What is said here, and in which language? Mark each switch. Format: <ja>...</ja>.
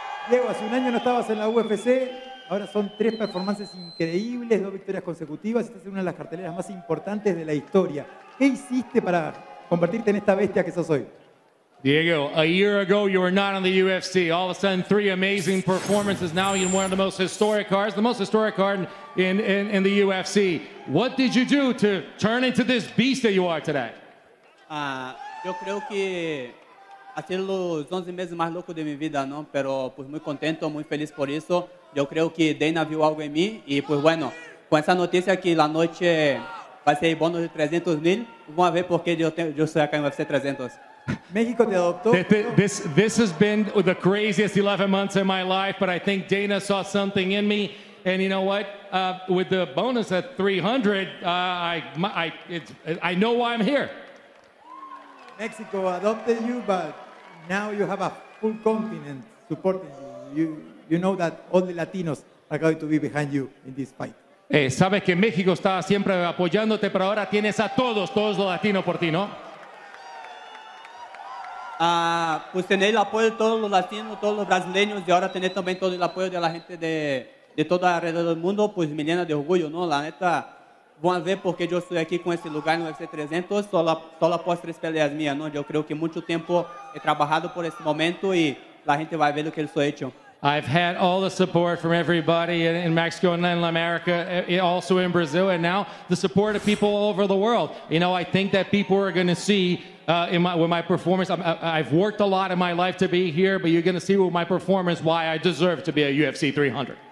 <es>Diego, hace un año no estabas en la UFC. Ahora son tres performances increíbles, dos victorias consecutivas. Esta es una de las carteleras más importantes de la historia. ¿Qué hiciste para convertirte en esta bestia que sos hoy?</es> <en>Diego, a year ago you were not on the UFC. All of a sudden, three amazing performances. Now you're one of the most historic cards, the most historic card in the UFC. What did you do to turn into this beast that you are today?</en> <es>Yo creo que hacer los 11 meses más locos de mi vida, ¿no? Pero pues muy contento, muy feliz por eso. Yo creo que Dana vio algo en mí y pues bueno, con esa noticia que la noche va a ser el bono de 300,000, vamos a ver por qué yo soy acá en UFC 300. México te adoptó.</es> <en>This has been the craziest 11 months of my life, but I think Dana saw something in me. And you know what? With the bonus at 300, I know why I'm here. Mexico adopted you, but now you have a full continent supporting you. You know that all the Latinos are going to be behind you in this fight.</en> <es>Sabes que México estaba siempre apoyándote, pero ahora tienes a todos los latinos por ti, ¿no? Pues tener el apoyo de todos los latinos, todos los brasileños, y ahora tener también todo el apoyo de la gente de todo alrededor del mundo, pues me llena de orgullo, ¿no? La neta, vamos a ver por qué yo estoy aquí con este lugar en UFC 300, solo após tres peleas mías, ¿no? Yo creo que mucho tiempo he trabajado por este momento y la gente va a ver lo que yo he hecho.</es> <en>I've had all the support from everybody in Mexico and Latin America, also in Brazil, and now the support of people all over the world. You know, I think that people are going to see with my performance. I've worked a lot in my life to be here, but you're going to see with my performance why I deserve to be a UFC 300.</en>